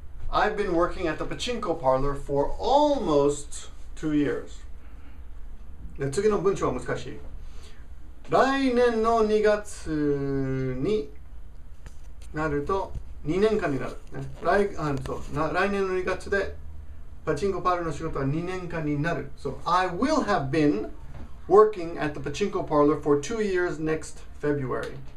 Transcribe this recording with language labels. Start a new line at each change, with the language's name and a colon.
English: I've been working at the pachinko parlor for almost 2 years.
Japanese: 次の文章は難しい。来年の2月になると2年間になる。ね、来年の2月でパチンコパールの仕事は2年間になる。
English: So, I will have been working at the pachinko parlor for 2 years next February.